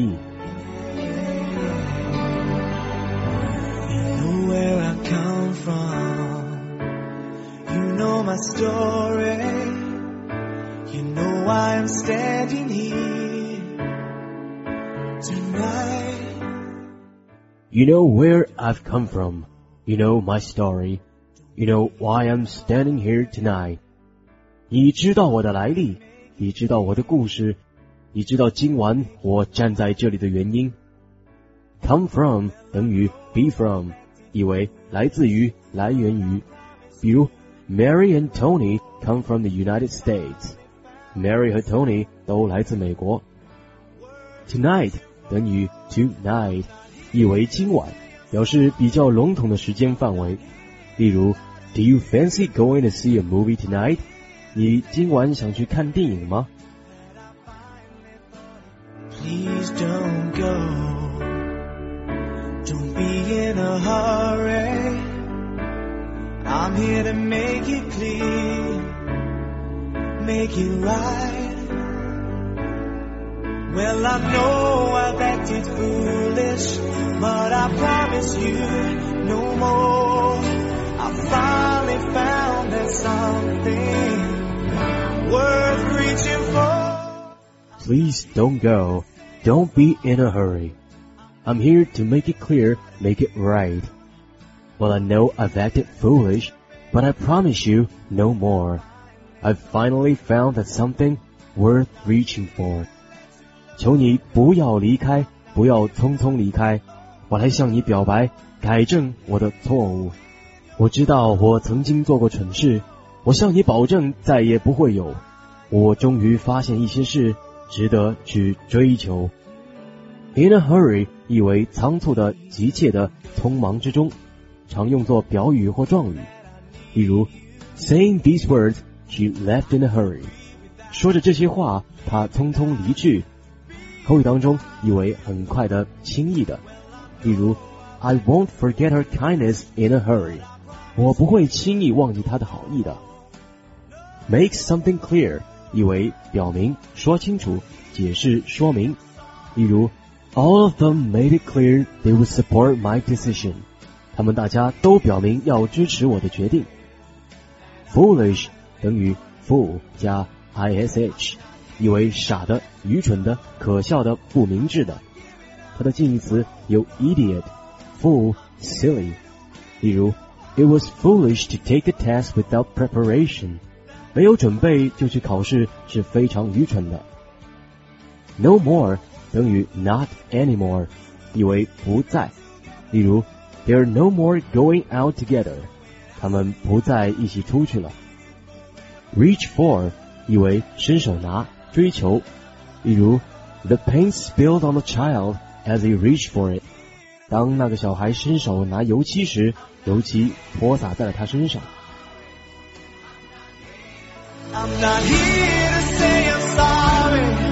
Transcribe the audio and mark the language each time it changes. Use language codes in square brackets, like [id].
[en] You know where I come from, you know my story, you know why I'm standing here tonight. You know where I've come from, you know my story, you know why I'm standing here tonight. [zh] 你知道我的来历，你知道我的故事，你知道今晚我站在这里的原因。 [en] Come from 等于 be from， [zh] 意为来自于、来源于。 [en] 比如 Mary and Tony come from the United States， Mary [zh] 和 Tony 都来自美国。 Tonight 等于 tonight， 意为今晚，表示比较笼统的时间范围。 [en] 例如 Do you fancy going to see a movie tonight？ [zh] 你今晚想去看电影吗？ [en] please don't go. Don't be in a hurry, I'm here to make it clear, make it right. Well, I know I've acted foolish, but I promise you no more. I finally found that something worth reaching for. Please don't go. Don't be in a hurry. I'm here to make it clear, make it right. Well, I know I've acted foolish, but I promise you no more. I've finally found that something worth reaching for. [zh] 求你不要离开，不要匆匆离开。我来向你表白，改正我的错误。我知道我曾经做过蠢事，我向你保证再也不会有。我终于发现一些事值得去追求。 In a hurry 意为仓促的、急切的、匆忙之中，常用作表语或状语。 [en] 例如 ，Saying these words, she left in a hurry. [zh] 说着这些话，她匆匆离去。口语当中意为很快的、轻易的。 [en] 例如 ，I won't forget her kindness in a hurry. [zh] 我不会轻易忘记她的好意的。 Make something clear 意为表明、说清楚、解释、说明。例如。 [en] All of them made it clear they would support my decision. [zh] 他们大家都表明要支持我的决定。 Foolish 等于 fool 加 ish， 意为傻的、愚蠢的、可笑的、不明智的。它的近义词有 idiot、fool、silly。 [en] 例如 ，It was foolish to take the test without preparation. [zh] 没有准备就去考试是非常愚蠢的。 No more. 等于 not anymore， 意为不再。 [en] 例如 ，They're no more going out together， [zh] 他们不再一起出去了。 Reach for， 意为伸手拿、追求。 [en] 例如 ，The paint spilled on the child as he reached for it。 [zh] 当那个小孩伸手拿油漆时，油漆泼洒在了他身上。 [en] I'm not here to say I'm sorry.